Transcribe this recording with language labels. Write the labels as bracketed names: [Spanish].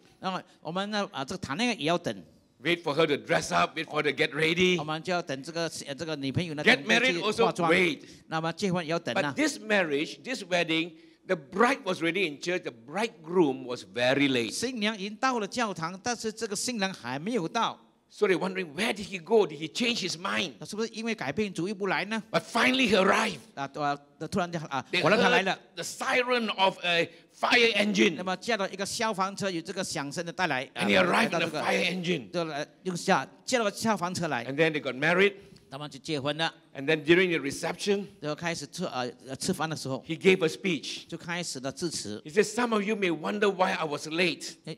[Chinese] 然后我们呢, 这个谈恋爱也要等。 [English] Wait for her to dress up, wait for her to get ready. [Chinese] 我们就要等这个女朋友呢, [English] get married also wait. [Chinese] 那么结婚也要等啊。 [English] But this marriage, this wedding, the bride was ready in church, the bridegroom was very late. [Chinese] 新娘已经到了教堂, 但是这个新娘还没有到。 [English] So they're wondering, where did he go? Did he change his mind? [Chinese] 是不是因为改变主意不来呢? [English] But finally he arrived. [Chinese] 突然, [English] the siren of a fire engine. [Chinese] 那么叫了一个消防车, 有这个响声的带来, [English] and he arrived in a fire engine. [Chinese] 就来用下, 叫了消防车来, [English] and then they got married. And then during the reception, he gave a speech. He said, some of you may wonder why I was late.